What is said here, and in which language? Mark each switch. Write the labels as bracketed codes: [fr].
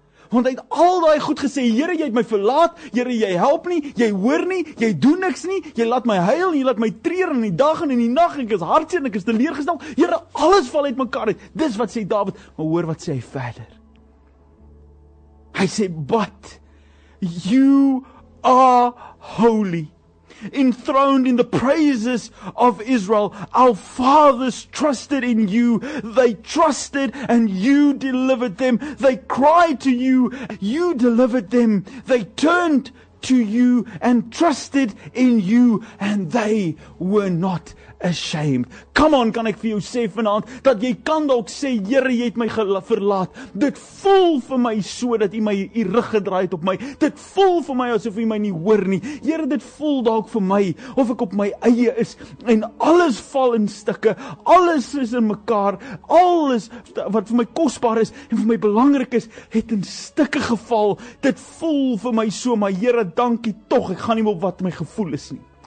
[af] Want hy het al daai goed gesê, Here, jy het my verlaat, Here, jy help nie, jy hoor nie, jy doen niks nie, jy laat my huil, jy laat my treur in die dag en in die nag, ek is hartseer, ek is teleurgestel, Here, alles val uit mekaar uit. Dis wat sê Dawid, maar hoor wat sê hy verder. Hy sê, [en] but you are holy, enthroned in the praises of Israel. Our fathers trusted in you. They trusted and you delivered them. They cried to you. You delivered them. They turned to you and trusted in you and they were not ashamed. [af] Come on, kan ek vir jou sê vanaand, dat jy kan dalk sê, Here, jy het my verlaat. Dit voel vir my so, dat jy my jy rug gedraai het op my. Dit voel vir my asof jy my nie hoor nie. Here, dit voel dalk vir my, of ek op my eie is, en alles val in stukke, alles is in mekaar, alles wat vir my kosbaar is, en vir my belangrik is, het in stukke geval. Dit voel vir my so, maar Here, dankie toch, ek gaan nie op wat my gevoel is nie.